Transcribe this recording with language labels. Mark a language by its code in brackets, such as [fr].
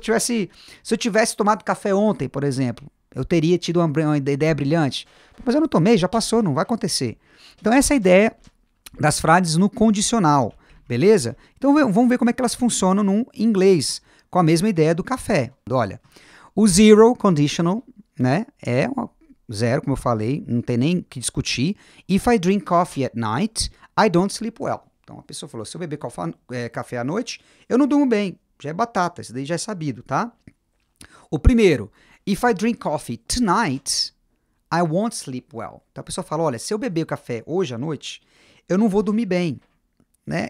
[pt] Se eu tivesse tomado café ontem, por exemplo, eu teria tido uma ideia brilhante, mas eu não tomei, já passou, não vai acontecer. Então, essa é a ideia das frases no condicional, beleza? Então, vamos ver como é que elas funcionam no inglês, com a mesma ideia do café. Olha, o zero conditional, né, é zero, como eu falei, não tem nem que discutir. [en] If I drink coffee at night, I don't sleep well. [pt] Então, a pessoa falou, se eu beber café à noite, eu não durmo bem. Já é batata, isso daí já é sabido, tá? O primeiro, [en] if I drink coffee tonight, I won't sleep well. [pt] Então, a pessoa fala, olha, se eu beber café hoje à noite, eu não vou dormir bem, né?